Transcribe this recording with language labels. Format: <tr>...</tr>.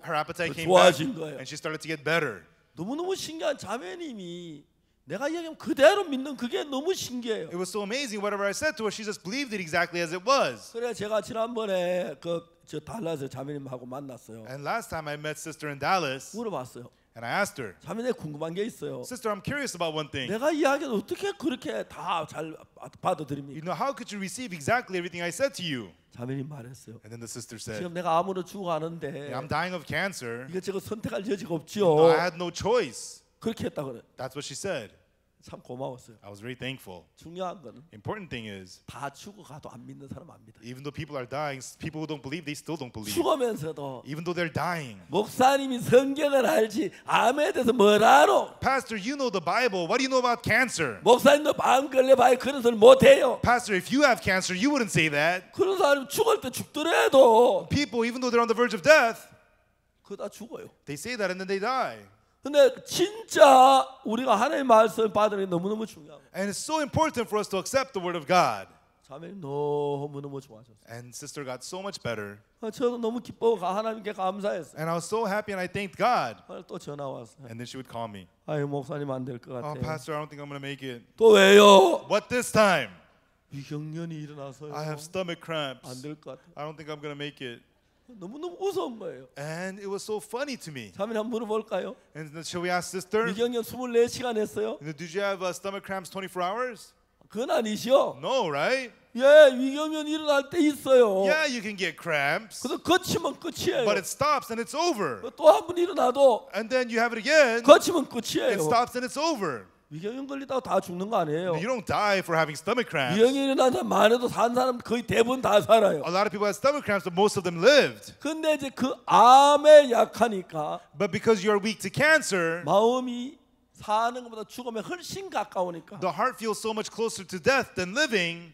<en>Her appetite came back, and she started to get better.</en> <ko>너무 너무 신기한 자매님이 내가 얘기하면 그대로 믿는 그게 너무 신기해요.</ko> <en>It was so amazing. Whatever I said to her, she just believed it exactly as it was.</en> <ko>그래 제가 지난번에 그 저 달라서 자매님하고 만났어요.</ko> <en>And last time I met sister in Dallas.</en> <ko>물어봤어요.</ko> <en>And I asked her.</en> <ko>자매님 궁금한 게 있어요.</ko> <en>Sister, I'm curious about one thing.</en> <ko>내가 이야기를 어떻게 그렇게 다 잘 받아들입니까?</ko> <en>You know, how could you receive exactly everything I said to you?</en> <ko>자매님 말했어요.</ko> <en>And then the sister said.</en> <ko>지금 내가 암으로 죽어가는데.</ko> <en>I'm dying of cancer.</en> <ko>이거 제가 선택할 여지가 없지요.</ko> <en>No, I had no choice.</en> <ko>그렇게 했다 그래.</ko> <en>That's what she said.</en> <ko>참 고마웠어요.</ko> <en>I was very thankful.</en> <ko>중요한 건</ko> <en>important thing is</en> <ko>다 죽어가도 안 믿는 사람 안 믿어.</ko> <en>Even though people are dying, people who don't believe, they still don't believe.</en> <ko>죽으면서도</ko> <en>even though they're dying.</en> <ko>목사님이 성경을 알지 암에 대해서 뭘 알아?</ko> <en>Pastor, you know the Bible. What do you know about cancer?</en> <ko>목사님도 암 걸려봐야 그런 소리 못 해요.</ko> <en>Pastor, if you have cancer, you wouldn't say that.</en> <ko>그런 사람 죽을 때 죽더라도</ko> <en>people, even though they're on the verge of death,</en> <ko>그 다 죽어요.</ko> <en>They say that and then they die.</en> <ko>근데 진짜 우리가 하나님의 말씀을 받는 게 너무너무 중요하고.</ko> <en>And it's so important for us to accept the word of God.</en> <ko>자매님 너무너무 좋아졌어.</ko> <en>And sister got so much better.</en> <ko>저도 너무 기뻐가 하나님께 감사했어.</ko> <en>And I was so happy and I thanked God.</en> <ko>또 전화 왔어.</ko> <en>And then she would call me.</en> <ko>아유 목사님 안 될 것 같아.</ko> <en>Oh, pastor, I don't think I'm gonna make it.</en> <ko>또 왜요?</ko> <en>What this time?</en> <ko>위경련이 일어나서요.</ko> <en>I have stomach cramps.</en> <ko>안 될 것 같아.</ko> <en>I don't think I'm gonna make it.</en> <ko>너무너무 웃은 거예요.</ko> <en>And it was so funny to me.</en> <ko>자매님 한번 물어볼까요?</ko> <en>And shall we ask sister?</en> <ko>위경련 24시간 했어요?</ko> <en>Did you have stomach cramps 24 hours?</en> <ko>그건 아니죠.</ko> <en>No, right?</en> <ko>예, 위경련 일어날 때 있어요.</ko> <en>Yeah, you can get cramps.</en> <ko>그래서 거치면 끝이에요.</ko> <en>But it stops and it's over.</en> <ko>또 한 번 일어나도</ko> <en>And then you have it again.</en> <ko>거치면 끝이에요.</ko> <en>It stops and it's over.</en> <ko>위경련 걸리다가 다 죽는 거 아니에요.</ko> <en>You don't die for having stomach cramps.</en> <ko>위경련 일어난 사람 많아도 산 사람 거의 대부분 다 살아요.</ko> <en>A lot of people had stomach cramps, but most of them lived.</en> <ko>근데 이제 그 암에 약하니까</ko> <en>But because you are weak to cancer,</en> <ko>마음이 사는 것보다 죽음에 훨씬 가까우니까</ko> <en>The heart feels so much closer to death than living.</en>